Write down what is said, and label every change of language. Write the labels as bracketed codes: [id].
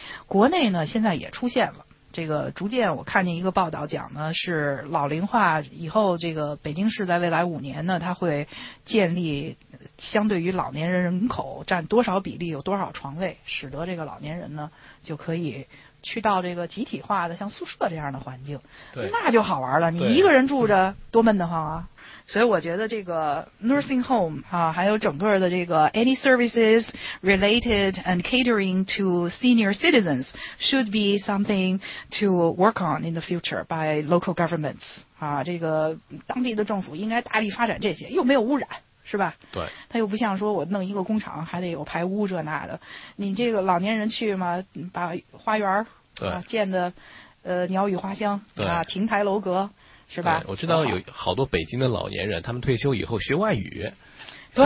[zh] 国内呢，现在也出现了，这个逐渐我看见一个报道讲呢，是老龄化以后，这个北京市在未来五年呢，它会建立。相对于老年人人口占多少比例，有多少床位，使得这个老年人呢就可以去到这个集体化的像宿舍这样的环境，对，那就好玩了。你一个人住着多闷得慌啊！所以我觉得这个 nursing home 啊，还有整个的这个 [en] any services related and catering to senior citizens should be something to work on in the future by local governments [zh] 啊，这个当地的政府应该大力发展这些，又没有污染。是吧？对，他又不像说我弄一个工厂还得有排污这那的，你这个老年人去嘛，把花园建的鸟语花香，对啊，亭台楼阁，是吧？我知道有好多北京的老年人，他们退休以后学外语，对，